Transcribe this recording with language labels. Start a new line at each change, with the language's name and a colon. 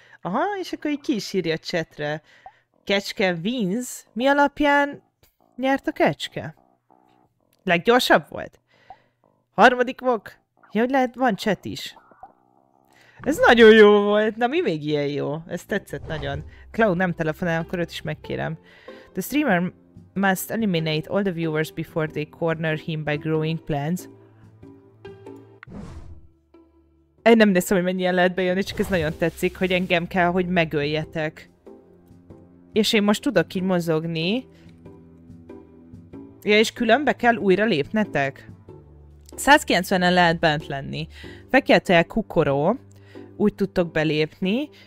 Hungarian: Aha, és akkor így ki is írja a csetre. Kecske
English: wins.
Hungarian: Mi alapján nyert a kecske? Leggyorsabb volt? Harmadik vok? Ja, hogy lehet, van cset is. Ez nagyon jó volt. Na, mi még ilyen jó? Ez tetszett nagyon. Klau, nem telefonál, akkor őt is megkérem.
English: The streamer must eliminate all the viewers before they corner him by growing plants.
Hungarian: Én nem néztem, hogy mennyien lehet bejönni, csak ez nagyon tetszik, hogy engem kell, hogy megöljetek. És én most tudok így mozogni. Ja, és különbe kell újra lépnetek. 190-en lehet bent lenni. Fekete kukoró, úgy tudtok belépni.